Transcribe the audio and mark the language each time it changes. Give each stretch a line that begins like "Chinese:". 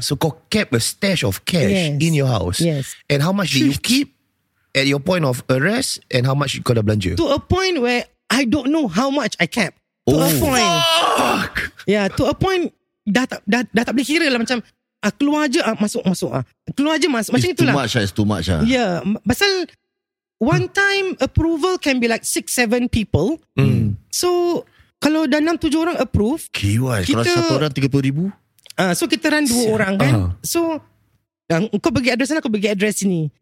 English: So
Malay: kau
English: kept a stash of cash in your house. Yes. And how much did you keep at your point of arrest and how much you
Malay: kau dah belanja?
English: To a point where I don't know how much I kept. A point. Fuck! Yeah, to a point
Malay: dah tak boleh kira lah macam keluar je masuk. Keluar je masuk. Macam
English: it's
Malay: itulah.
English: It's too much. Yeah.
Malay: Pasal
English: one time approval can be like 6-7 people.
Malay: So kalau dah 6-7 orang
English: approve.
Malay: Kiwai. Kalau satu orang RM30,000. So kita run dua orang kan. So kau bagi address sana, aku bagi address sini.